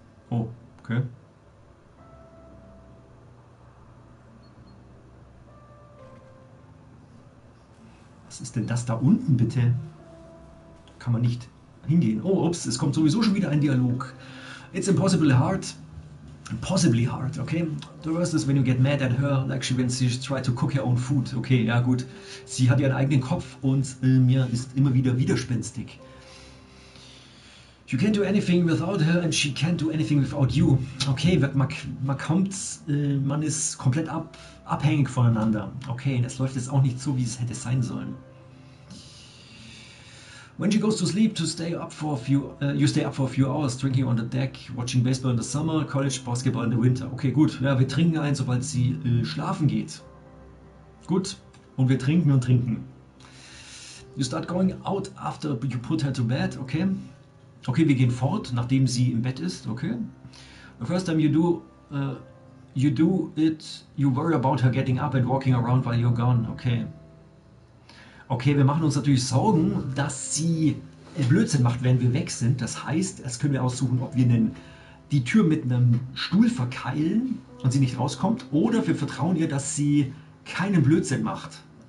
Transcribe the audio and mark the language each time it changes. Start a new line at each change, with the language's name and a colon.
German: Oh, okay. Was ist denn das da unten, bitte? Kann man nicht hingehen. Oh, ups, es kommt sowieso schon wieder ein Dialog.
English: It's impossible hard. Possibly hard, okay? The worst is when you get mad at her, like she when she tried to cook her own food.
German: Okay, ja gut. Sie hat ihren eigenen Kopf und mir ist immer wieder widerspenstig.
English: You can't do anything without her and she can't do anything without you.
German: Okay, man ist komplett abhängig voneinander. Okay, das läuft jetzt auch nicht so, wie es hätte sein sollen.
English: When she goes to sleep, you stay up for a few hours, drinking on the deck, watching baseball in the summer, college basketball in the winter.
German: Okay, gut. Ja, wir trinken ein, sobald sie schlafen geht. Gut. Und wir trinken und trinken.
English: You start going out after you put her to bed. Okay.
German: Okay, wir gehen fort, nachdem sie im Bett ist. Okay.
English: The first time you do it, you worry about her getting up and walking around while you're gone. Okay.
German: Okay, wir machen uns natürlich Sorgen, dass sie Blödsinn macht, wenn wir weg sind. Das heißt, das können wir aussuchen, ob wir die Tür mit einem Stuhl verkeilen und sie nicht rauskommt. Oder wir vertrauen ihr, dass sie keinen Blödsinn macht.